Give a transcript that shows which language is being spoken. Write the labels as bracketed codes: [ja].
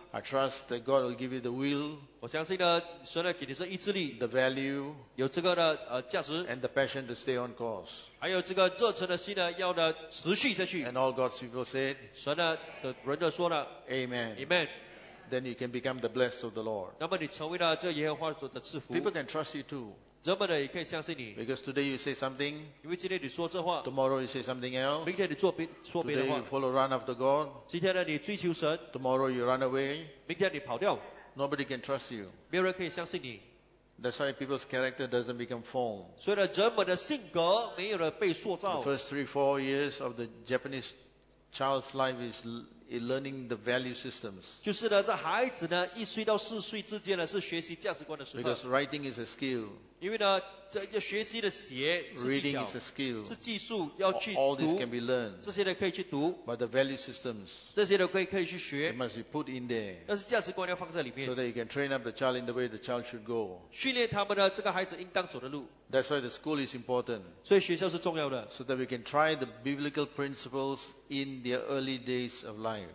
[en] I trust that God will give you the will. [zh] 我相信呢，神呢给你是意志力。 [en] The value. [zh] 有这个的价值。 [en] And the passion to stay on course. [zh] 还有这个热忱的心呢，要呢持续下去。 [en] And all God's people said. [zh] 神呢的人就说了。 [en] Amen. Amen. Then you can become the blessed of the Lord. [zh] 那么你成为了这耶和华所的赐福。 [en] People can trust you too. [zh] 人们呢也可以相信你。 [en] Because today you say something. [zh] 因为今天你说这话。 [en] Tomorrow you say something else. [zh] 明天你说别的话。 [en] Today you follow run after God. [zh] 今天呢你追求神。 [en] Tomorrow you run away. [zh] 明天你跑掉。 [en] Nobody can trust you. [zh] 没有人可以相信你。 [en] That's why people's character doesn't become formed. [zh] 所以呢人们的性格没有了被塑造。 [en] The first 3-4 years of the Japanese child's life is learning the value systems. [zh] 就是呢这孩子呢一岁到四岁之间呢是学习价值观的时候。 [en] Because writing is a skill. [zh] 因为呢，这要学习的写是技巧， [en] reading is a skill. [zh] 是技术要去读。 [en] All this can be learned. [zh] 这些呢可以去读。 [en] But the value systems. [zh] 这些呢可以去学。 [en] It must be put in there. [zh] 但是价值观要放在里面。 [en] So that you can train up the child in the way the child should go. [zh] 训练他们呢这个孩子应当走的路。 [en] That's why the school is important. [zh] 所以学校是重要的。 [en] So that we can try the biblical principles in their early days of life.